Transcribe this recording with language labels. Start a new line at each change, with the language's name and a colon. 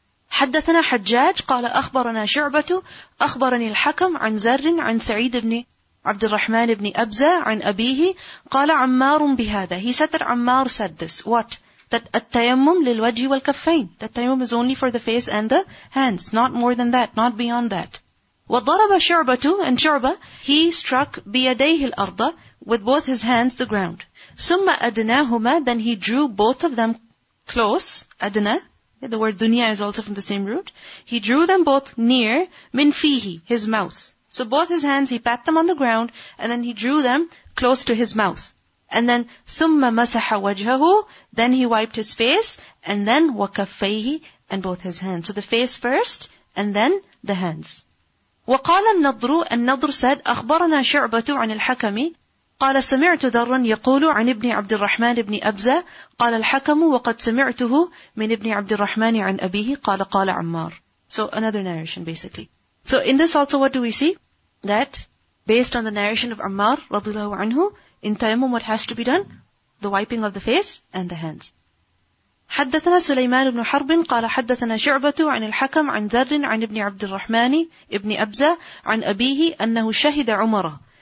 Arabic: حدثنا حجاج قال أخبرنا شعبة أخبرني الحكم عن زر عن سعيد بن عبد الرحمن بن أبزة عن أبيه قال عمار بهذا.
English: He said that عمار said this. What?
Arabic: That التيمم للوجه والكفين.
English: That tayammum is only for the face and the hands. Not more than that. Not beyond that.
Arabic: وضرب شعبة
English: and شعبة, he struck
Arabic: بيديه الأرض,
English: with both his hands the ground.
Arabic: ثم أدناهما,
English: then he drew both of them close. أدنى, the word dunya is also from the same root. He drew them both near,
Arabic: min fihi,
English: his mouth. So both his hands, he pat them on the ground, and then he drew them close to his mouth. And then,
Arabic: ثم مسح وجهه,
English: then he wiped his face, and then
Arabic: وكفيهي,
English: and both his hands. So the face first, and then the hands.
Arabic: وقال النضر,
English: and النضر said,
Arabic: أخبرنا شعبة عن الحكم. قال سمعت ذرا يقول عن ابن عبد الرحمن ابن أبزة قال الحكم وقد سمعته من ابن عبد الرحمن عن أبيه قال قال عمار.
English: So another narration basically. So in this also what do we see? That based on the narration of Ammar رضي الله عنه, in tayammum what has to be done? The wiping of the face and the hands.
Arabic: حدثنا سليمان بن حرب قال حدثنا شعبة عن الحكم عن ذر عن ابن عبد الرحمن ابن أبزة عن أبيه أنه شهد عمر.